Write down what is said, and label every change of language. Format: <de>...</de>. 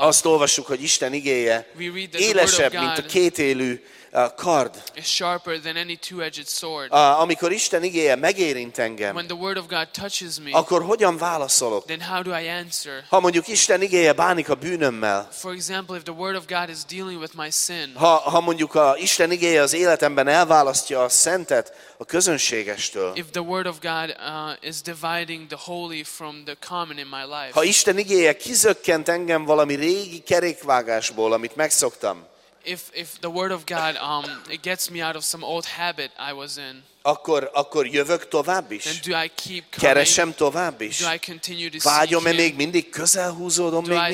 <hu>Azt olvassuk, hogy Isten igéje élesebb, mint a kétélű kard.</hu> <en>Is sharper than any two-edged sword.</en> <hu>Amikor Isten igéje megérint engem.</hu> <en>When the word of God touches me.</en> <hu>Akkor hogyan válaszolok?</hu> <en>Then how do I answer?</en> <hu>Ha mondjuk Isten igéje bánik a bűnömmel.</hu> <en>For example, if the word of God is dealing with my sin.</en> <hu>Ha mondjuk a Isten igéje az életemben elválasztja a szentet a közönségestől.</hu> <en>If the word of God is dividing the holy from the common in my life.</en> <hu>Ha Isten igéje kizökkent engem valami régi kerékvágásból, amit megszoktam.</hu> <en>If the word of God it gets me out of some old habit I was in.</en> <hu>Akkor jövök tovább is.</hu> <en>Do I keep coming?</en> <hu>Keresem tovább is.</hu> <en>Do I continue to seek?</en> <hu>Vágyom-e még mindig, közel húzódom még mindig.</hu>